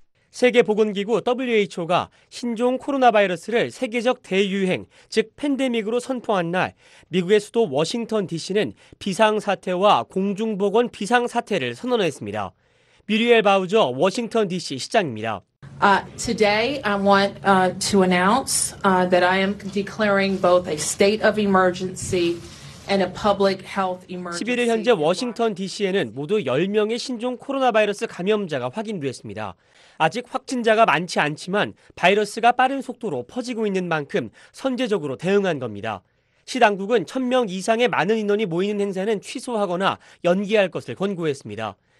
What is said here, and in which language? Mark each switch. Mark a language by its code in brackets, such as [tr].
[ko] 세계보건기구 WHO가 신종 코로나 바이러스를 세계적 대유행, 즉 팬데믹으로 선포한 날 미국의 수도 워싱턴 DC는 비상사태와 공중보건 비상사태를 선언했습니다. 뮤리엘 바우저 워싱턴 DC 시장입니다. [en] Today I want to announce that I am declaring both a state of emergency and a public health emergency. [ko] 11일 현재 워싱턴 DC에는 모두 10명의 신종 코로나 바이러스 감염자가 확인됐습니다. 아직 확진자가 많지 않지만 바이러스가 빠른 속도로 퍼지고 있는 만큼 선제적으로 대응한 겁니다. 시 당국은 1,000명 이상의 많은 인원이 모이는 행사는 취소하거나 연기할 것을 권고했습니다.